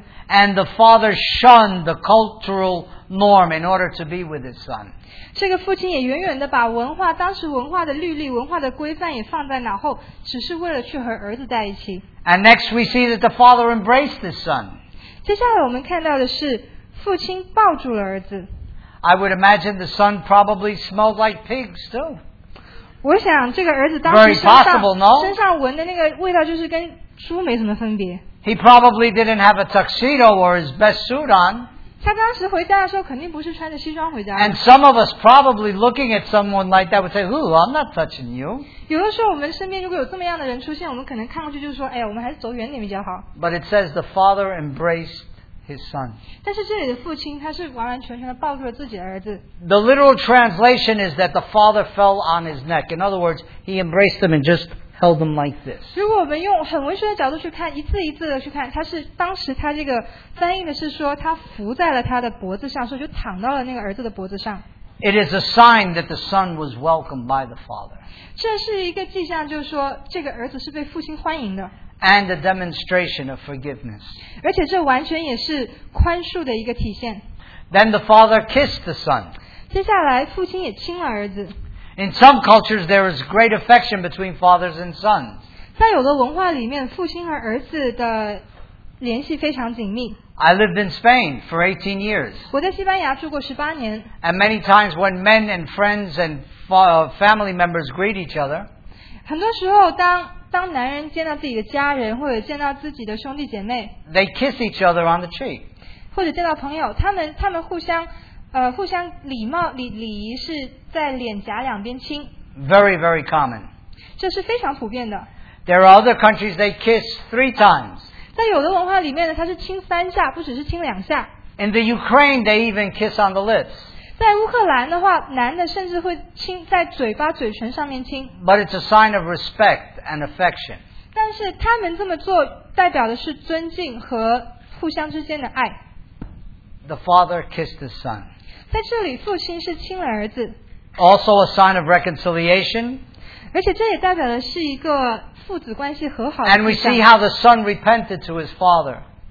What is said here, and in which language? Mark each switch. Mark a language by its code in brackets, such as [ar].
[en] And the father shunned the cultural norm in order to be with his son. [zh] 这个父亲也远远地把文化的规范也放在脑后, [en] and next we see that the father embraced his son. [zh] 接下来我们看到的是, [en] I would imagine the son probably smelled like pigs too. [zh] 我想这个儿子当时身上, [en] very possible, no? He probably didn't have a tuxedo or his best suit on. And some of us probably looking at someone like that would say, ooh, I'm not touching you. [zh] 有的时候我们身边如果有这么样的人出现, 我们可能看过去就说, 哎, 我们还是走远点比较好。 [en] But it says the father embraced his son. [zh] 但是这里的父亲, 他是完完全全地抱住了自己的儿子。 [en] The literal translation is that the father fell on his neck. In other words, he embraced them and just held them like this. [zh] 如果我们用很文学的角度去看, 一字一字的去看, 他是当时他这个翻译的是说, 他伏在了他的脖子上, 就躺到了那个儿子的脖子上。 [en] It is a sign that the son was welcomed by the father. [zh] 这是一个迹象, 就是说, 这个儿子是被父亲欢迎的。 [en] And a demonstration of forgiveness. [zh] 而且这完全也是宽恕的一个体现。 [en] Then the father kissed the son. [zh] 接下来父亲也亲了儿子。 [en] In some cultures, there is great affection between fathers and sons. [zh] 在有的文化里面, 父亲和儿子的联系非常紧密。 [en] I lived in Spain for 18 years. [zh] 我在西班牙住过18年。 [en] And many times when men and friends and family members greet each other, [zh] 很多时候当男人见到自己的家人或者见到自己的兄弟姐妹, [en] they kiss each other on the cheek. [zh] 或者见到朋友, 他们互相 互相礼貌礼仪是在脸颊两边亲, [en] very very common. [zh] 这是非常普遍的。 [en] There are other countries they kiss three times. [zh] 在有的文化里面呢, 他是亲三下, 不只是亲两下。 [en] In the Ukraine they even kiss on the lips. [zh] 在乌克兰的话, 男的甚至会亲在嘴巴嘴唇上面亲。 [en] But it's a sign of respect and affection. [zh] 但是他们这么做, 代表的是尊敬和互相之间的爱。 [en] The father kissed his son. [zh] 在这里父亲是亲了儿子, [en] also a sign of reconciliation. [zh] 而且这也代表的是一个父子关系和好的迹象。 [en] And we see how the son repented to his father.